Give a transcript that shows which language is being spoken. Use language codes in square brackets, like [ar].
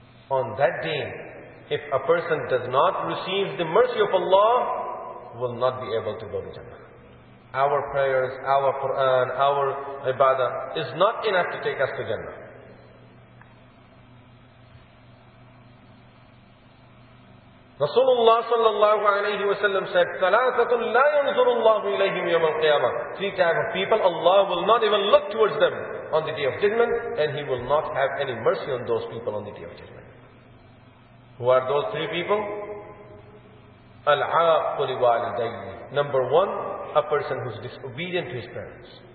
[en] On that day, if a person does not receive the mercy of Allah, will not be able to go to Jannah. Our prayers, our Quran, our ibadah is not enough to take us to Jannah. Rasulullah sallallahu alayhi wa sallam said, [ar] ثَلَاثَةٌ لَا يَنْظُرُ اللَّهُ إِلَيْهِمْ يَوْمَ الْقِيَامَةِ. [en] Three types of people, Allah will not even look towards them on the Day of Judgment, and He will not have any mercy on those people on the Day of Judgment. Who are those three people? [ar] أَلْعَاقُ لِوَالِدَيْنِ. [en] Number one, a person who is disobedient to his parents.